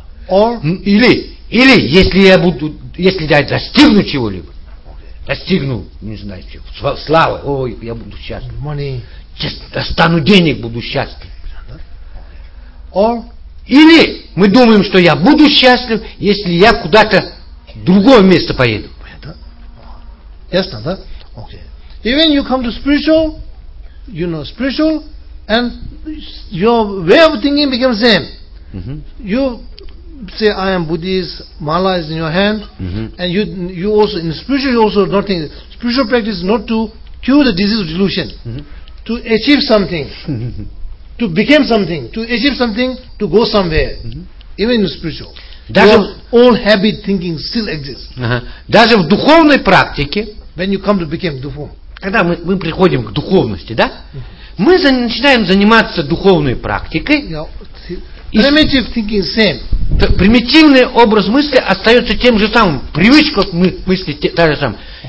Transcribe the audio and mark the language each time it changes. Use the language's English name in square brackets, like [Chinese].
[Russian] Или если я буду, если я достигну чего-либо, достигну, не знаю, чего, славы, ой, я буду счастлив. [English] Money. [Russian] Достану денег, буду счастлив. Или мы думаем, что я буду счастлив, если я куда-то в другое место поеду. Ясно, да? Окей. [English] Even you come to spiritual, you know, spiritual, and your way of thinking becomes same. You say I am Buddhist, mala is in your hand, and you also in spiritual, you also not think spiritual practice is not to cure the disease of delusion, to achieve something, to become something, to achieve something, to go somewhere, even in spiritual. [Russian] Даже [English] all habit thinking still exists. [Russian] Даже в духовной практике, [English] when you come to become [Russian] духов, когда мы приходим к духовности, да, мы начинаем заниматься духовной практикой. [English] Primitive thinking same. [Russian] Примитивный образ мысли остается тем же самым. Привычка мысли та же самая.